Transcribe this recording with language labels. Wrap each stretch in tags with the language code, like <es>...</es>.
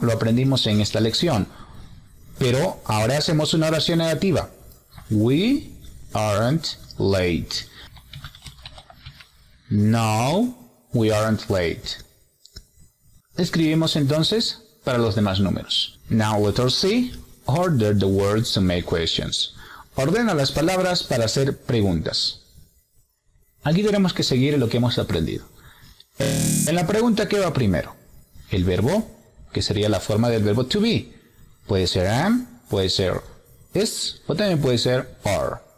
<es>Lo aprendimos en esta lección. Pero ahora hacemos una oración negativa.</es> <en>We aren't late. No, we aren't late.</en> <es>Escribimos entonces para los demás números.</es> <en>Now letter C, order the words to make questions.</en> <es>Ordena las palabras para hacer preguntas. Aquí tenemos que seguir lo que hemos aprendido. En la pregunta, ¿qué va primero? El verbo, que sería la forma del verbo to be. Puede ser am, puede ser is, o también puede ser are.</es>